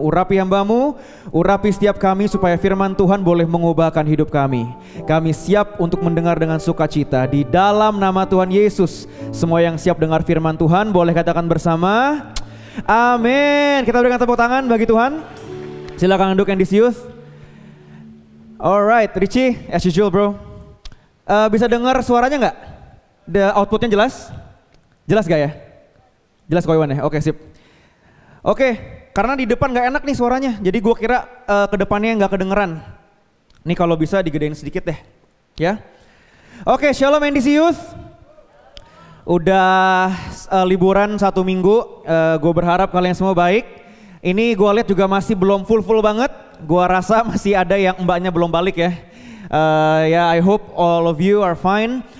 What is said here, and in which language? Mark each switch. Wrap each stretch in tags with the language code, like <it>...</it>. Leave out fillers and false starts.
<id>Urapi hamba-Mu, urapi setiap kami supaya firman Tuhan boleh mengubahkan hidup kami. Kami siap untuk mendengar dengan sukacita di dalam nama Tuhan Yesus. Semua yang siap dengar firman Tuhan boleh katakan bersama, amin. Kita berikan tepuk tangan bagi Tuhan. Silakan duduk yang disius.</id> <en>Alright, Richie, as usual bro.</en> <id>Bisa dengar suaranya enggak? The outputnya jelas? Jelas enggak ya? Jelas kok Iwan ya? Oke, sip. Oke, karena di depan enggak enak nih suaranya. Jadi gua kira kedepannya enggak kedengeran. Nih kalau bisa digedein sedikit deh. Ya.</id> <en>Oke, Shalom and this youth.</en> <id>Udah liburan satu minggu. Gua berharap kalian semua baik. Ini gua lihat juga masih belum full-full banget. Gua rasa masih ada yang mbaknya belum balik ya.</id> <en>I hope all of you are fine.</en>